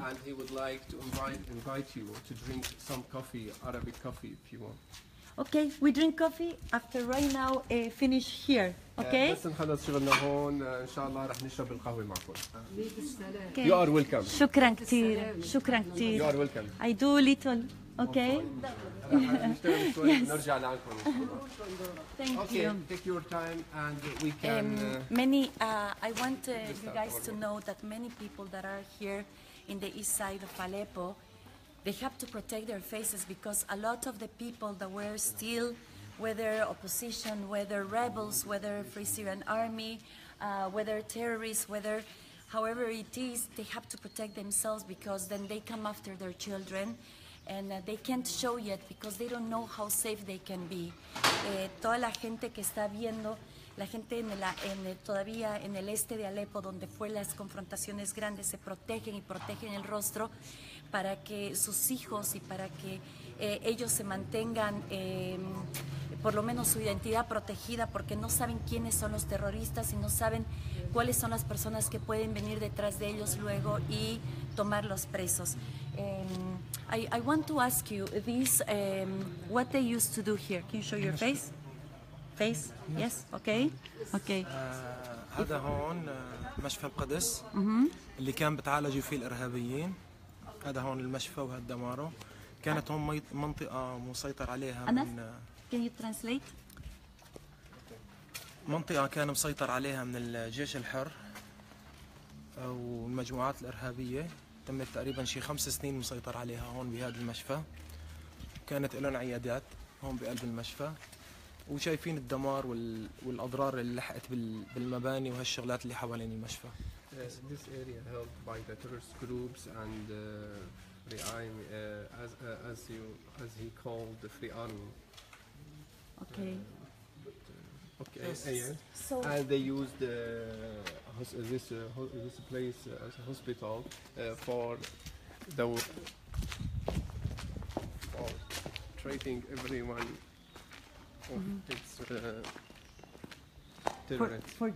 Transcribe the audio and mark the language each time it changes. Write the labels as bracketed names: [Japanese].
[English] And he would like to invite you to drink some coffee, Arabic coffee, if you want. Okay, we drink coffee after right now finish here. Okay. [Arabic] بس نخلص شغلنا هون إن شاء الله رح نشرب القهوة معكم. [English] Okay. You are welcome. [Arabic] شكراً كتير. شكراً كتير. [English] You are welcome. I do little. Okay. Yes. [Arabic] نرجع لعندكم. [English] Thank okay. you. Okay. Take your time and we can. Many. I want you guys to know that many people that are here in the east side of Aleppo. They have to protect their faces because a lot of the people that were still, whether opposition, whether rebels, whether Free Syrian Army, whether terrorists, whether however it is, they have to protect themselves because then they come after their children and they can't show yet because they don't know how safe they can be. [Spanish] Toda la gente que está viendo, la gente todavía en el este de Aleppo, donde fue las confrontaciones grandes, se protegen y protegen el rostro. Para que sus hijos y para que ellos se mantengan por lo menos su identidad protegida porque no saben quiénes son los terroristas y no saben cuáles son las personas que pueden venir detrás de ellos luego y tomarlos presos. [English] I want to ask you this what they used to do here. Can you show your face? Face? Yes, okay. Okay. [Arabic] هذا هون مشفى القدس اللي كان بتعالجوا فيه الارهابيين. هذا هون المشفى وهالدماره كانت هون منطقة مسيطر عليها من [English] Can you translate? [Arabic] منطقة كان مسيطر عليها من الجيش الحر والمجموعات الإرهابية تمت تقريبا شي 5 سنين مسيطر عليها هون بهذا المشفى كانت لهم عيادات هون بقلب المشفى وشايفين الدمار والأضرار اللي لحقت بالمباني وهالشغلات اللي حوالين المشفى [English] This area held by the terrorist groups and Free Army, as he called the Free Army. Okay. Okay. And they used this place as a hospital for treating everyone of its terrorists